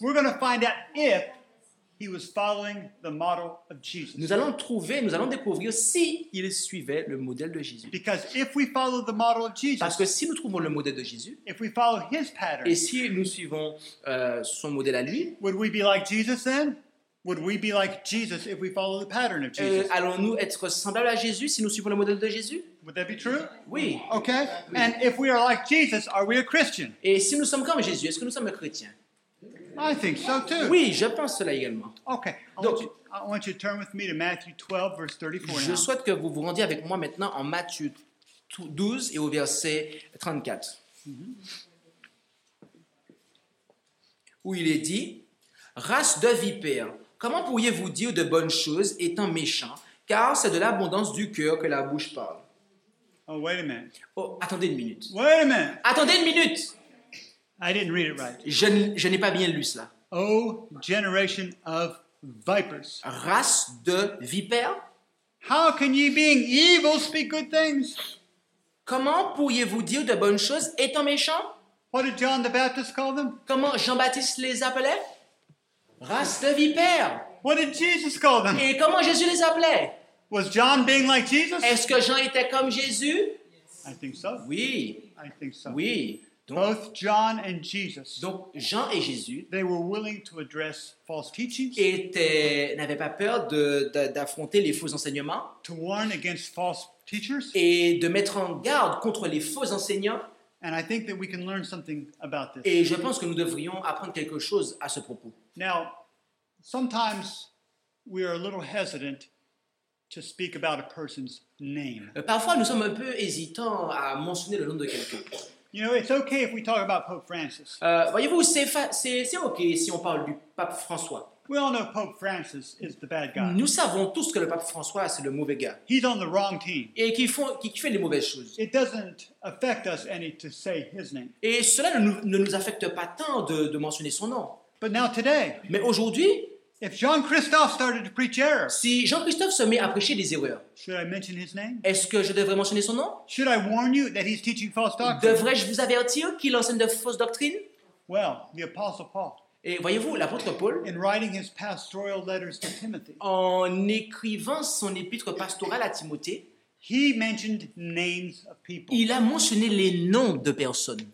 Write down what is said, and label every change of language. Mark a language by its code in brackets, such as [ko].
[en] We're going to find out if he was following the model of Jesus. [fr] Nous allons découvrir si il suivait le modèle de Jésus. [en] Because if we follow the model of Jesus, [fr] parce que si nous trouvons le modèle de Jésus, [en] if we follow his pattern, [fr] et si nous suivons son modèle à lui, [en] would we be like Jesus then? Would we be like Jesus if we follow the pattern of Jesus? [fr] Allons-nous être semblables à Jésus si nous suivons le modèle de Jésus? [en] Would that be true? [fr] Oui. [en] Okay. [fr] Oui. [en] And if we are like Jesus, are we a Christian? [fr] Et si nous sommes comme Jésus, est-ce que nous sommes chrétiens? [en] I think so too. [fr] Oui, je pense cela également. [en] Okay. I want you to turn with me to Matthew 12, verse 34. [fr] Je souhaite que vous vous rendiez avec moi maintenant en Matthieu 12 et au verset 34. où il est dit, « Race de vipères, comment pourriez-vous dire de bonnes choses étant méchants, car c'est de l'abondance du cœur que la bouche parle. » [en] Oh, wait a minute. [fr] Oh, attendez une minute. [en] Wait a minute. [fr] Attendez une minute. [en] I didn't read it right. [fr] Je n'ai pas bien lu cela. [en] Oh, generation of vipers. [fr] Race de vipères. [en] How can you being evil speak good things? [fr] Comment pourriez-vous dire de bonnes choses étant méchants? [en] What did John the Baptist call them? [fr] Comment Jean-Baptiste les appelait? Race de vipères. [en] What did Jesus call them? [fr] Et comment Jésus les appelait? [en] Was John being like Jesus? [fr] Est-ce que Jean était comme Jésus? [en] Yes. I think so. [fr] Oui. [en] I think so. [fr] Oui. [en] Both John and Jesus. [fr] Donc Jean et Jésus. [en] They were willing to address false teachings. [fr] N'avaient pas peur d'affronter les faux enseignements. [en] To warn against false teachers. [fr] Et de mettre en garde contre les faux enseignants. [en] And I think that we can learn something about this. [fr] Et je pense que nous devrions apprendre quelque chose à ce propos. [en] Now, sometimes we are a little hesitant to speak about a person's name. [fr] Parfois nous sommes un peu hésitants à mentionner le nom de quelqu'un. [en] You know, it's okay if we talk about Pope Francis. [fr] Voyez-vous, c'est okay si on parle du pape François. [en] We all know Pope Francis is the bad guy. [fr] Nous savons tous que le pape François c'est le mauvais gars. [en] He's on the wrong team. [fr] Et qui fait les mauvaises choses. [en] It doesn't affect us any to say his name. [fr] Et cela ne nous affecte pas tant de mentionner son nom. [en] But now today. [fr] Mais aujourd'hui. [en] If Jean-Christophe started to preach error, [fr] si Jean-Christophe se met à prêcher des erreurs, [en] should I mention his name? [fr] Est-ce que je devrais mentionner son nom? [en] Should I warn you that he's teaching false doctrine? [fr] Devrais-je vous avertir qu'il enseigne de fausses doctrines? [en] Well, the Apostle Paul. [fr] Et voyez-vous, l'apôtre Paul, [en] in writing his pastoral letters to Timothy, [fr] en écrivant son épître pastorale à Timothée, [en] he mentioned names of people. [fr] Il a mentionné les noms de personnes.